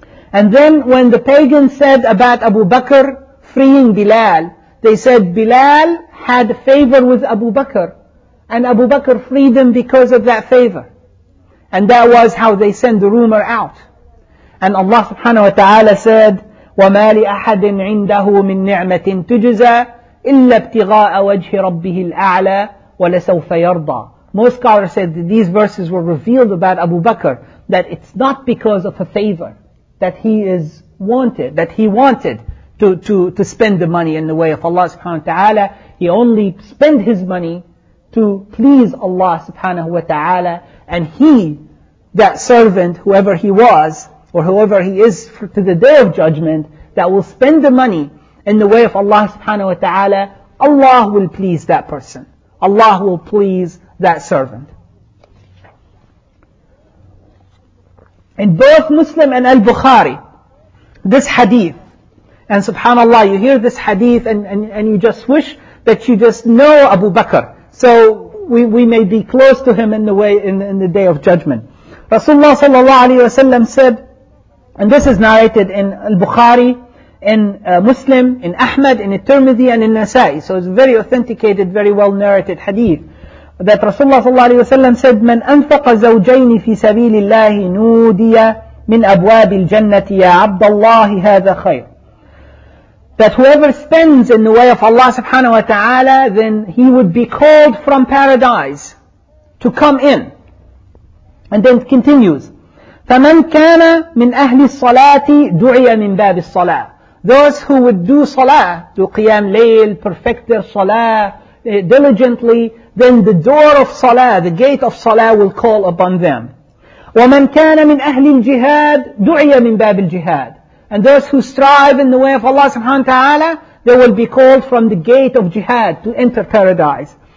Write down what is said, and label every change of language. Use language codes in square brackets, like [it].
[en] And then when the pagans said about Abu Bakr freeing Bilal, they said Bilal had favor with Abu Bakr, and Abu Bakr freed them because of that favor. And that was how they sent the rumor out. And Allah subhanahu wa ta'ala said, [ar] وَمَا لِأَحَدٍ عِنْدَهُ مِنْ نِعْمَةٍ تُجْزَى إِلَّا ابْتِغَاءَ وَجْهِ رَبِّهِ الْأَعْلَى وَلَسَوْفَ يَرْضَى. [en] Most scholars said that these verses were revealed about Abu Bakr, that it's not because of a favor that he wanted to spend the money in the way of Allah subhanahu wa ta'ala. He only spent his money to please Allah subhanahu wa ta'ala. And he, that servant, whoever he was, or whoever he is to the Day of Judgment, that will spend the money in the way of Allah subhanahu wa ta'ala, Allah will please that person. Allah will please that servant. In both Muslim and Al-Bukhari, this hadith, and subhanAllah, you hear this hadith and you just wish that you just know Abu Bakr, so we may be close to him in the Day of Judgment. Rasulullah sallallahu alayhi wa sallam said, and this is narrated in Al-Bukhari, in Muslim, in Ahmad, in Tirmidhi, and in Nasa'i. So it's very authenticated, very well narrated hadith. That Rasulullah sallallahu alayhi wa sallam said, [ar] مَنْ أَنْفَقَ زَوْجَيْنِ فِي سَبِيلِ اللَّهِ نُودِيَ مِنْ أَبْوَابِ الْجَنَّةِ يَا عَبَّ اللَّهِ هَذَا خَيْرٌ. [en] That whoever spends in the way of Allah subhanahu wa ta'ala, then he would be called from paradise to come in. And then it continues, [ar] فَمَنْ كَانَ مِنْ أَهْلِ الصَّلَاةِ دُعِيَ مِنْ بَابِ الصَّلَاةِ. [en] Those who would do salah, do qiyam layl, perfect their salah diligently, then the door of salah, the gate of salah will call upon them. [ar] وَمَنْ كَانَ مِنْ أَهْلِ الْجِهَادِ دُعِيَ مِنْ بَابِ الْجِهَادِ. [en] And those who strive in the way of Allah subhanahu wa ta'ala, they will be called from the gate of jihad to enter paradise.